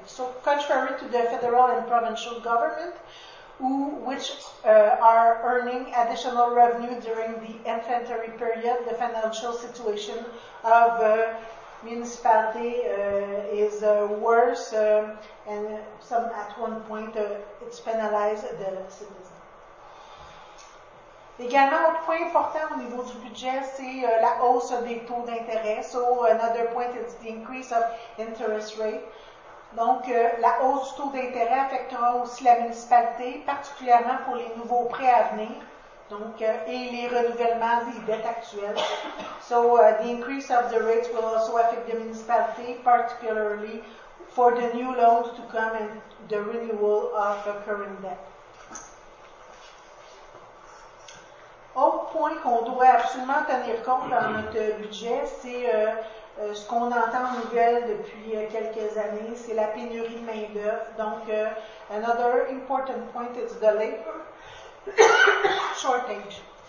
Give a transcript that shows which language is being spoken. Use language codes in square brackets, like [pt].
[en] So, contrary to the federal and provincial government, which are earning additional revenue during the inflationary period, the financial situation of municipality is worse, and some at one point it's penalized the citizens. [fr] Également, autre point important au niveau du budget, c'est la hausse des taux d'intérêt. [en] So another point is the increase of interest rate. [fr] Donc, la hausse du taux d'intérêt affectera aussi la municipalité, particulièrement pour les nouveaux prêts à venir, donc, et les renouvellements des dettes actuelles. [en] So, the increase of the rates will also affect the municipality, particularly for the new loans to come and the renewal of the current debt. [fr] Autre point qu'on doit absolument tenir compte dans notre budget, c'est ce qu'on entend en nouvelle depuis quelques années, c'est la pénurie de main-d'œuvre. [en] Donc, another important point is the labor shortage.